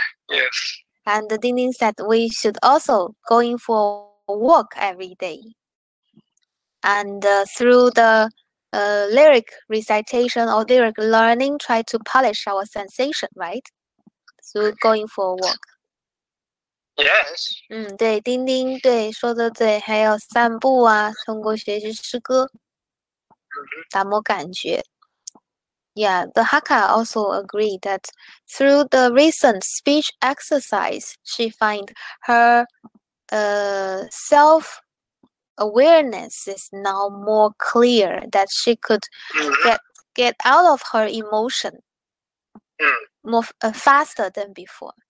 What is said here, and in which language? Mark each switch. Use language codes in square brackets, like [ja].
[en] Yes. And Ding Ding said we should also going for a walk every day. And through the lyric recitation or lyric learning, try to polish our sensation, right? So going for a walk. Yes. [zh] 嗯，对，丁丁，对，说的对，还有散步啊，通过学习诗歌，打磨感觉。 [en] Yeah, the Hakka also agreed that through the recent speech exercise, she find her self-awareness is now more clear that she could get out of her emotion more faster than before.